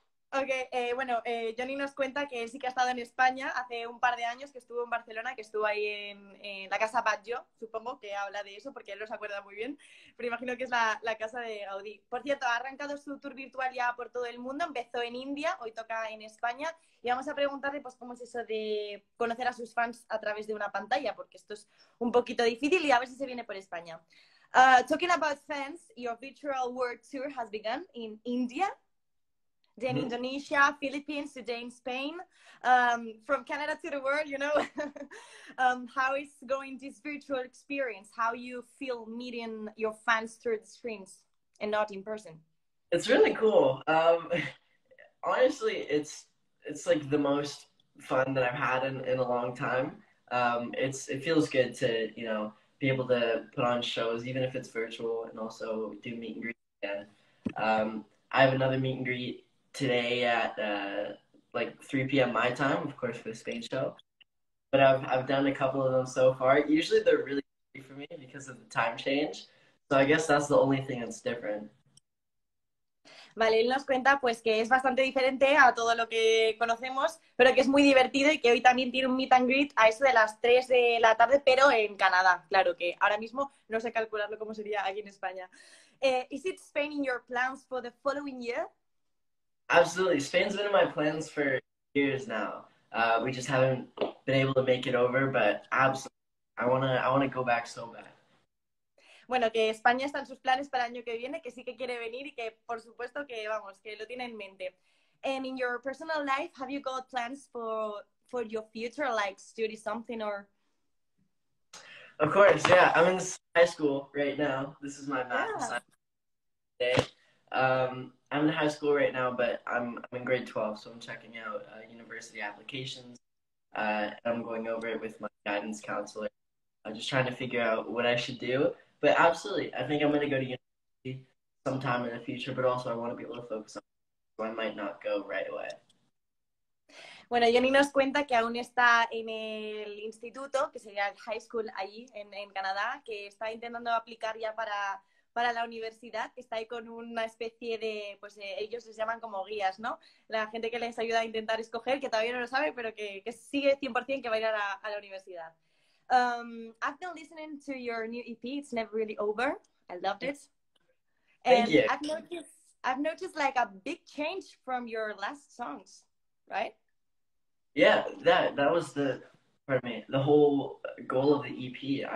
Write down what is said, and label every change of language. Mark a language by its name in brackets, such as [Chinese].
[Spanish] Okay, bueno, Johnny nos cuenta que él sí que ha estado en España hace un par de años, que estuvo en Barcelona, que estuvo ahí en la casa Batlló, supongo que habla de eso porque él no se acuerda muy bien, pero imagino que es la casa de Gaudí. Por cierto, ha arrancado su tour virtual ya por todo el mundo, empezó en India, hoy toca en España, y vamos a preguntarle pues cómo es eso de conocer a sus fans a través de una pantalla, porque esto es un poquito difícil y a ver si se viene por España. [English] Talking about fans, your virtual world tour has begun in India. Then Indonesia, Philippines, today in Spain, from Canada to the world, you know. How is going this virtual experience? How you feel meeting your fans through the screens and not in person? It's really cool. Honestly, it's like the most fun that I've had in a long time. It feels good to, be able to put on shows, even if it's virtual, and also do meet and greet again. I have another meet and greet today at like 3 p.m. my time, of course, for the Spain show. But I've done a couple of them so far. Usually they're really busy for me because of the time change. So I guess that's the only thing that's different. [Spanish] Vale, él nos cuenta pues que es bastante diferente a todo lo que conocemos, pero que es muy divertido y que hoy también tiene un meet and greet a eso de las 3 de la tarde, pero en Canadá. Claro que ahora mismo no sé calcularlo cómo sería aquí en España. [English] Is it Spain in your plans for the following year? Absolutely. Spain's been in my plans for years now. We just haven't been able to make it over, but absolutely. I wanna go back so bad. [Spanish] Bueno, que España está en sus planes para el año que viene, que sí que quiere venir y que, por supuesto, que vamos, que lo tiene en mente. [English] And in your personal life, have you got plans for your future, like study something or? Of course, yeah. I'm in high school right now. This is my math Yeah. assignment today. I'm in high school right now, but I'm in grade 12, so I'm checking out university applications. And I'm going over it with my guidance counselor. I'm just trying to figure out what I should do. But absolutely, I think I'm going to go to university sometime in the future, but also I want to be able to focus on it, so I might not go right away. [Spanish] Bueno, Jenny nos cuenta que aún está en el instituto, que sería el high school allí en Canadá, que está intentando aplicar ya para la universidad. Está ahí con una especie de, pues ellos les llaman como guías, ¿no? La gente que les ayuda a intentar escoger, que todavía no lo sabe, pero que sigue 100% que va a ir a la universidad. [English] I've been listening to your new EP, It's Never Really Over. I loved it. Thank you. I've noticed like a big change from your last songs, right? Yeah, that was the, pardon me, the whole goal of the EP.